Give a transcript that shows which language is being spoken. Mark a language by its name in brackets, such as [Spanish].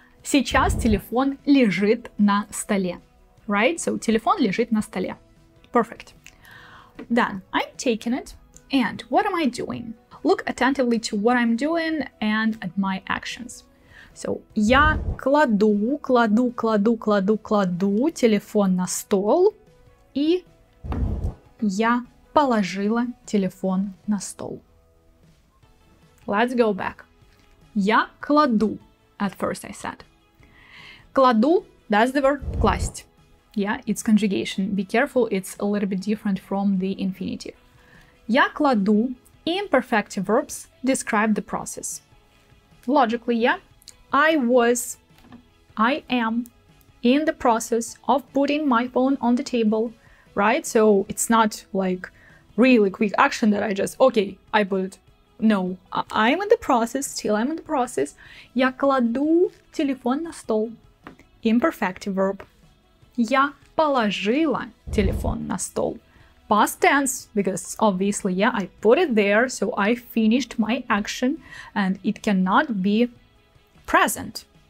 [Russian] Сейчас телефон лежит на столе. [English] Right? So, [Russian] телефон лежит на столе. [English] Perfect. Then, I'm taking it. And what am I doing? Look attentively to what I'm doing and at my actions. So, [Russian] я кладу телефон на стол. И я положила телефон на стол. [English] Let's go back. [Russian] Я кладу. [English] At first I said. Кладу, that's the verb, класть. Yeah, it's conjugation. Be careful, it's a little bit different from the infinitive. [Russian] Я кладу. [English] Imperfective verbs describe the process. Logically, yeah. I was, I am, in the process of putting my phone on the table, right? So it's not like really quick action that I just, okay, I put it. No, I'm in the process, still I'm in the process. [Russian] Я кладу телефон на стол. [English] Imperfective verb. [Russian] Я положила телефон на стол. [English] Past tense, because obviously, yeah, I put it there, so I finished my action, and it cannot be present.